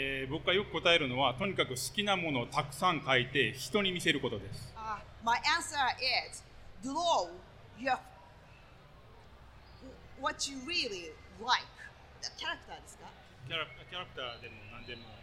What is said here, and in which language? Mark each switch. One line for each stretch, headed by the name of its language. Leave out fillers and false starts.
Japanese: 僕がよく答えるのは、とにかく好きなものをたくさん描いて人に見せることです。
English: My answer is, draw your, what you really like. The character
Japanese: ですか? キャラクターでも何でも。